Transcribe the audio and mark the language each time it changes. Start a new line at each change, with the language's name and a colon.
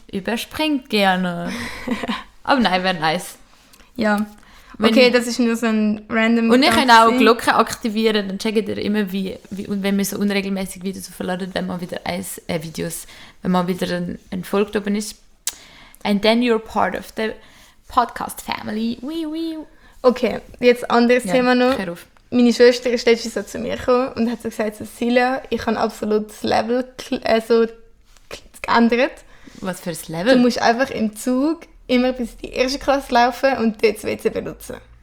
German: Überspringt gerne. Aber nein, wäre nice. Ja. Okay, das ist nur so ein random. Und ich kann auch Glocke aktivieren, dann checkt ihr immer, wie und wenn wir so unregelmäßig Videos verladen, wenn man wieder Videos, wenn man wieder ein Folge oben ist.
English: And then you're part of the podcast family. Wee wee.
German: Okay, jetzt anderes Thema noch. Hör auf. Meine Schwester ist letztens so zu mir gekommen und hat so gesagt, Cecilia, ich habe absolut das Level so geändert. Was für ein Level? Du musst einfach im Zug immer bis in die erste Klasse laufen und dort das WC benutzen.